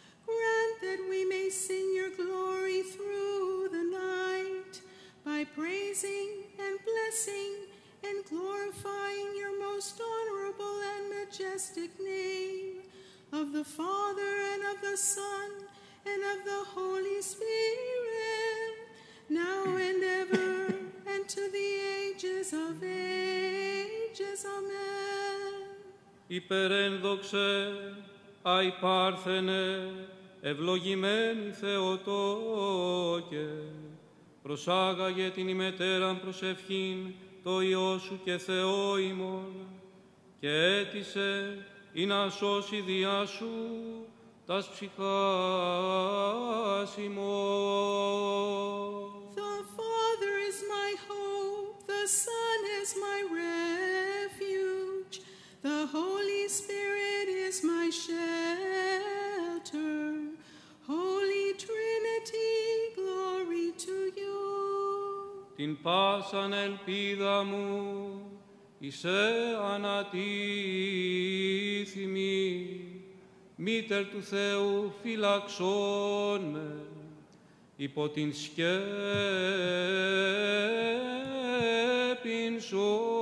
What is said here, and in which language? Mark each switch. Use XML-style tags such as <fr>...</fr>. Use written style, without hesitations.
<en>Grant that we may sing your glory through the night by praising and blessing and glorifying your most honorable and majestic name of the Father and of the Son and of the Holy Spirit, now and ever and to the ages of ages. Amen.</en> <el>Υπερένδοξε, αι πάρθενε, ευλογημένη Θεοτόκε, προσάγαγε την ημετέραν προσευχήν το Υιό σου και Θεό ημών, και αίτησε ή να σώσει διά σου τας ψυχάς ημών.</el> <en>The Father is my hope, the Son is my refuge, the Holy Spirit is my shelter. Holy Trinity, glory to you.</en> <el>Την πάσαν ελπίδα μου είσαι ανατίθιμη, Μήτερ του Θεού φυλαξών με υπό την σκέπην σου.</el>